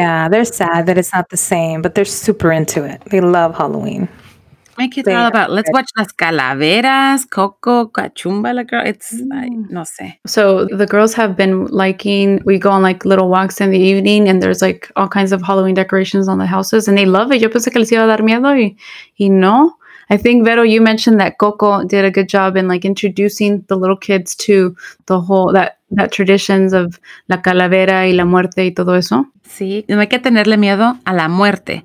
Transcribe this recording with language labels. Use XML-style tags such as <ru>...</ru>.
<en>Yeah, they're sad that it's not the same, but they're super into it. They love Halloween. My kids are all about, let's watch Las Calaveras, Coco, Cachumba, la girl. It's,</en> <es>no sé.</es> <en>So the girls have been liking, we go on like little walks in the evening and there's like all kinds of Halloween decorations on the houses and they love it.</en> <es>Yo pensé que les iba a dar miedo y no.</es> <en>I think, Vero, you mentioned that Coco did a good job in like introducing the little kids to the whole, that traditions of</en> <es>la calavera y la muerte y todo eso. Sí, no hay que tenerle miedo a la muerte.</es>